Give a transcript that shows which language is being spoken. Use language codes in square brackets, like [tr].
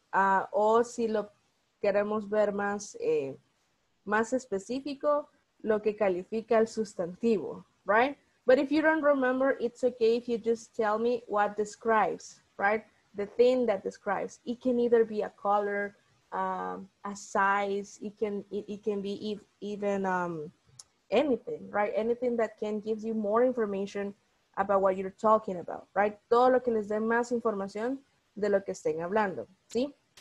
[es] O si lo queremos ver más, más específico, lo que califica el sustantivo, [en] right? But if you don't remember, it's okay if you just tell me what describes, right? The thing that describes. It can either be a color, a size, it can be even anything, right? Anything that can give you more information about what you're talking about, right? [es] Todo lo que les dé más información de lo que estén hablando, ¿sí?